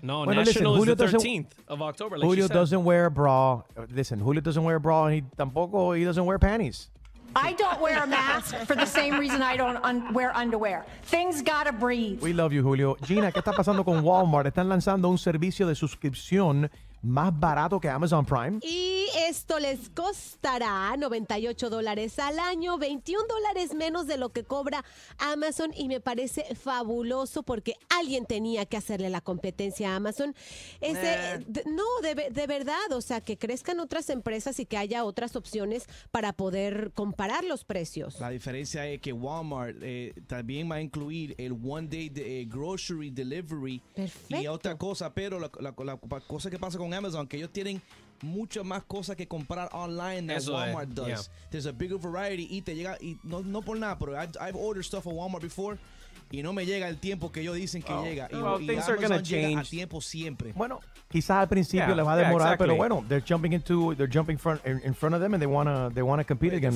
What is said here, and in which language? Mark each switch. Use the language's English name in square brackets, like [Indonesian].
[English] No, bueno, national, listen, is Julio the 13th of October. Like Julio doesn't wear a bra. Listen, Julio doesn't wear a bra, and he doesn't wear panties. I don't wear a mask for the same reason I don't wear underwear. Things gotta breathe. We love you, [Spanish] Julio. Gina, ¿qué está pasando con Walmart? Están lanzando un servicio de suscripción más barato que Amazon Prime. Y esto les costará $98 al año, $21 menos de lo que cobra Amazon. Y me parece fabuloso porque alguien tenía que hacerle la competencia a Amazon. De verdad, o sea, que crezcan otras empresas y que haya otras opciones para poder comparar los precios. La diferencia es que Walmart también va a incluir el [English] one day grocery delivery. [Spanish] Perfecto. Y otra cosa, pero la cosa que pasa con Amazon, que ellos tienen muchas más cosas que comprar online [English] than [Spanish] eso Walmart es. [English] Does. Yeah. There's a bigger variety [Spanish] y te llega, y no por nada, pero [English] I've ordered stuff at Walmart before [Spanish] y no me llega el tiempo que ellos dicen que llega. [English] Things are gonna change. [Spanish] A tiempo siempre. Bueno, quizás al principio les va a demorar, exactly. Pero bueno, [English] they're jumping in front of them and they wanna compete again.